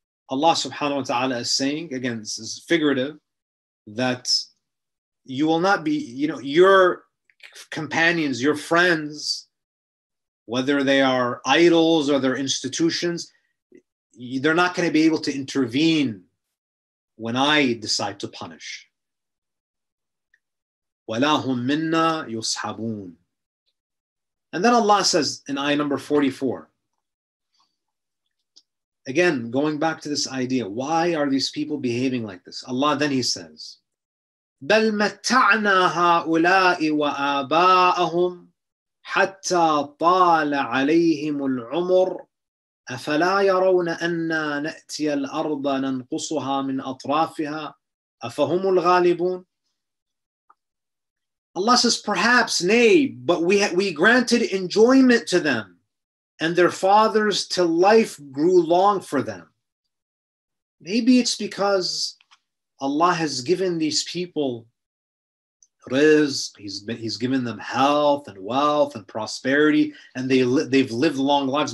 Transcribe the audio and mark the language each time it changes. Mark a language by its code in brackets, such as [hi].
[en] Allah subhanahu wa ta'ala is saying, again, this is figurative, that you will not be, you know, your companions, your friends, whether they are idols or their institutions, they're not going to be able to intervene when I decide to punish. [ar] وَلَا هُمْ مِنَّا يُصْحَبُونَ. [en] And then Allah says in ayah number 44, again, going back to this idea, why are these people behaving like this? Allah then he says, [ar] بَلْ مَتَّعْنَا هَؤُلَاءِ وَآبَاءَهُمْ حَتَّى طَالَ عَلَيْهِمُ الْعُمُرُ أَفَلَا يَرَوْنَ أَنَّا نَأْتِيَ الْأَرْضَ نَنْقُصُهَا مِنْ أَطْرَافِهَا أَفَهُمُ الْغَالِبُونَ. [en] Allah says, perhaps, nay, but we granted enjoyment to them and their fathers till life grew long for them. Maybe it's because Allah has given these people rizq, he's given them health and wealth and prosperity, and they've lived long lives.